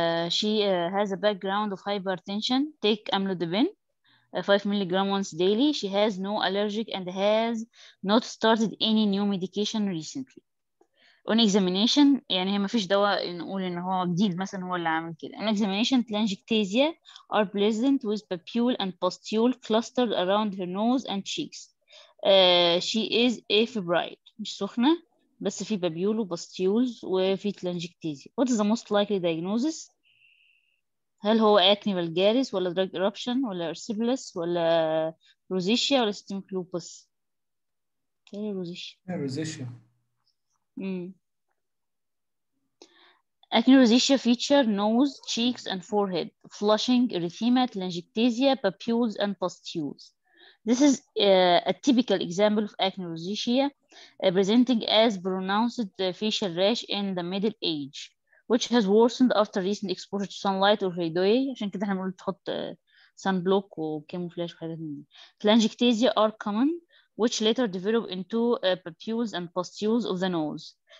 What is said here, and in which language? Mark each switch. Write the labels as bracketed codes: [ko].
[en] She has a background of hypertension. Take amlodipine, 5 milligrams once daily. She has no allergic and has not started any new medication recently. On examination, [ar] يعني هي ما فيش دواء نقول ان هو جديد مثلا هو اللي عامل كده. [en] On examination, telangiectasia are present with papule and pustule clustered around her nose and cheeks. She is afebrile. [ar] مش سخنة بس في بابيول وبستيولز وفي telangiectasia. [en] What is the most likely diagnosis? [ar] هل هو acne vulgaris ولا drug eruption ولا erysipelas ولا rosacea ولا systemic lupus؟ كاني [en] rosacea. Acne rosacea feature nose, cheeks, and forehead. Flushing, erythema, telangiectasia, papules, and pustules. This is a typical example of acne rosacea presenting as pronounced facial rash in the middle age, which has worsened after recent exposure to sunlight or radiation. [ar] عشان كده احنا بنقول تحط sunblock وكاموفلاج وحاجات من دي. [en] Telangiectasia are common, which later develop into papules and pustules of the nose.